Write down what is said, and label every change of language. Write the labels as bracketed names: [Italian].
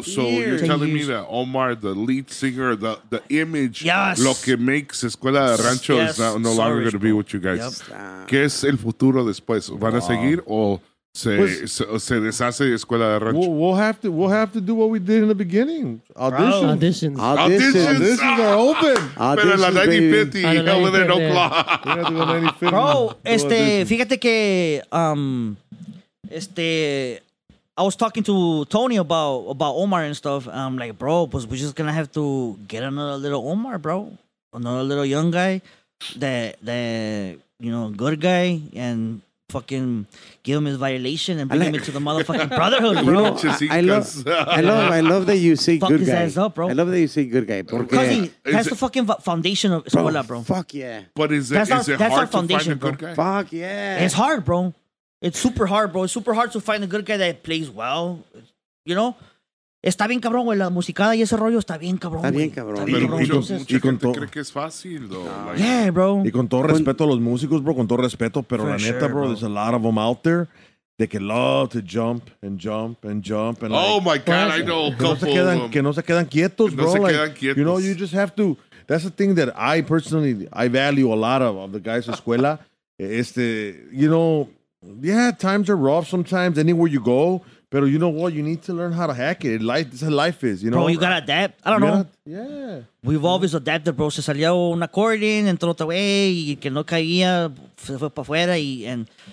[English] So you're telling me that Omar, the lead singer, the image, yes. Lo que makes Escuela de Rancho yes. is no Sorry, longer going to be with you guys. Yep. [Spanish] ¿Qué es el futuro después? ¿Van a seguir o se deshace Escuela de Rancho? [English] We'll have to do what we did in the beginning. Auditions are open. [Spanish] Pero en la 9050, [English] hell with it, no clock. [Spanish] Bro, fíjate que... [English] I was talking to Tony about Omar and stuff. I'm like, bro, pues we're just gonna have to get another little Omar, bro. Another little young guy. That you know, good guy. And fucking give him his violation and bring him into the motherfucking brotherhood, bro. I love that you say good guy. Fuck his ass up, bro. I love that you say good guy. Because that's the fucking foundation of Escuela, bro. Fuck yeah. But is it hard to find a good guy? Fuck yeah. It's hard, bro. It's super hard, bro. It's super hard to find a good guy that plays well. [Spanish] You know? Está bien cabrón, güey. La musicada y ese rollo está bien cabrón, güey. Está bien cabrón. Pero mucha gente cree que es fácil, though. [English] No. Like, yeah, bro. [Spanish] Y con todo respeto a los músicos, bro. Con todo respeto. Pero for la neta, sure, bro, there's a lot of them out there. [English] They can love to jump and jump and jump. And oh, like, my God, I know a couple [Spanish] Que no se quedan quietos, bro. No se quedan quietos. You know, you just have to. [English] That's the thing that I personally, I value a lot of the guys at Escuela. You know, yeah, times are rough sometimes anywhere you go. But you know what? You need to learn how to hack it. Life, this is how life is, you know? Bro, you got to adapt. I don't know. Yeah. We've always adapted, bro. [Spanish] Se salió un acordeón, entró otra vez, y que no caía, se fue para afuera.